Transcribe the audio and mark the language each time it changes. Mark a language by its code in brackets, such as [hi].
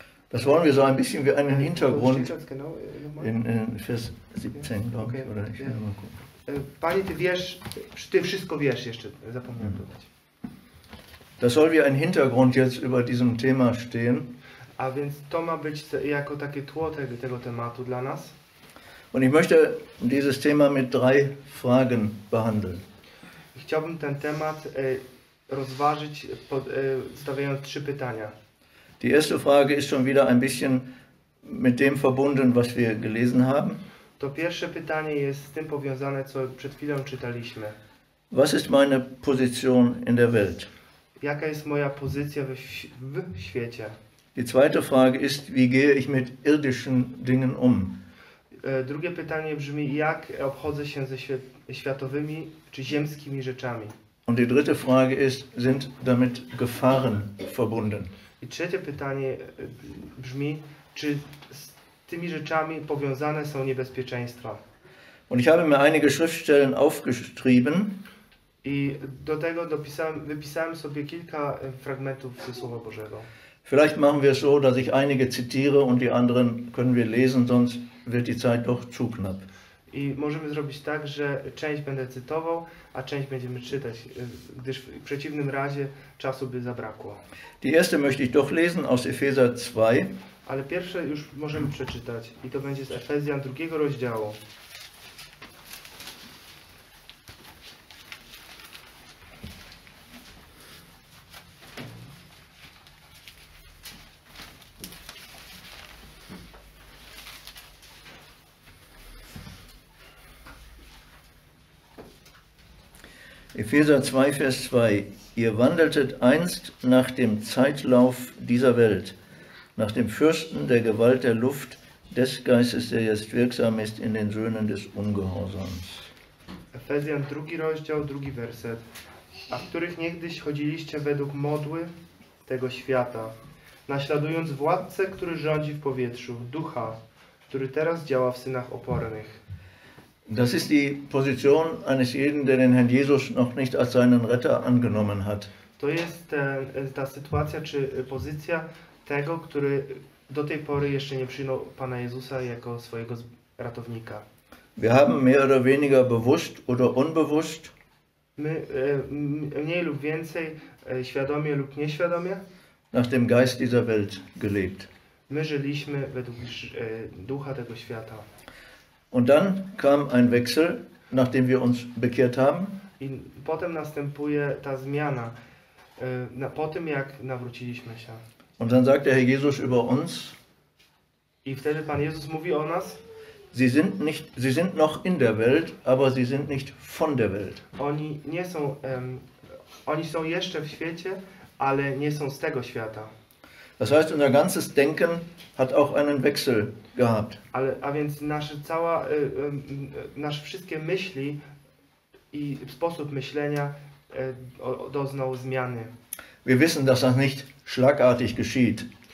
[de] Das wollen wir so ein bisschen wie einen Hintergrund in Vers 17, glaube ich, oder ich will mal gucken. [pl] Panie, ty wszystko wiesz, jeszcze zapomniałem dodać. [de] Das soll wie ein Hintergrund jetzt über diesem Thema stehen. [pl] A więc to ma być jako takie tło tego tematu dla nas. [de] Und ich möchte dieses Thema mit drei Fragen behandeln. [pl] Chciałbym ten temat rozważyć, stawiając trzy pytania. [de] Die erste Frage ist schon wieder ein bisschen mit dem verbunden, was wir gelesen haben. [pl] To pierwsze pytanie jest z tym powiązane, co przed chwilą czytaliśmy. [de] Was ist meine Position in der Welt? [pl] Jaka jest moja pozycja w świecie? [de] Die zweite Frage ist, wie gehe ich mit irdischen Dingen um? [pl] Drugie pytanie brzmi, jak obchodzę się ze światowymi czy ziemskimi rzeczami? [de] Und die dritte Frage ist, sind damit Gefahren verbunden? [pl] I trzecie pytanie brzmi, czy z tymi rzeczami powiązane są niebezpieczeństwa? [de] Und ich habe mir einige Schriftstellen aufgeschrieben. [pl] I do tego wypisałem sobie kilka fragmentów ze Słowa Bożego. [de] Vielleicht machen wir es so, dass ich einige zitiere und die anderen können wir lesen, sonst wird die Zeit doch zu knapp. [pl] I możemy zrobić tak, że część będę cytował, a część będziemy czytać, gdyż w przeciwnym razie czasu by zabrakło. [de] Die erste möchte ich doch lesen aus Epheser 2. [pl] Ale pierwsze już możemy przeczytać i to będzie z Efezjan drugiego rozdziału. [de] Epheser 2, Vers 2. Ihr wandeltet einst nach dem Zeitlauf dieser Welt, nach dem Fürsten der Gewalt der Luft, des Geistes, der jetzt wirksam ist in den Söhnen des Ungehorsams. [pl] Efezjan 2, rozdział, 2, werset. A w których niegdyś chodziliście według modły tego świata, naśladując władcę, który rządzi w powietrzu, ducha, który teraz działa w synach opornych. [de] Das ist die Position eines jeden, der den Herrn Jesus noch nicht als seinen Retter angenommen hat. [pl] To jest ta sytuacja czy pozycja tego, który do tej pory jeszcze nie przyjął Pana Jezusa jako swojego ratownika. [de] Wir haben mehr oder weniger bewusst oder unbewusst. [pl] My mniej lub więcej, świadomie lub nieświadomie. [de] Nach dem Geist dieser Welt gelebt. [pl] My żyliśmy według ducha tego świata. [de] Und dann kam ein Wechsel, nachdem wir uns bekehrt haben. [pl] I potem następuje ta zmiana, po tym jak nawróciliśmy się. [de] Und dann sagt der Herr Jesus über uns. [pl] I wtedy Pan Jezus mówi o nas. [de] Sie sind noch in der Welt, aber sie sind nicht von der Welt. [pl] Oni nie są, oni są jeszcze w świecie, ale nie są z tego świata. [de] Das heißt, unser ganzes Denken hat auch einen Wechsel gehabt. [pl] Ale, a więc nasze cała, nasze wszystkie myśli i sposób myślenia doznał zmiany. [de] Wir wissen, dass das nicht schlagartig geschieht.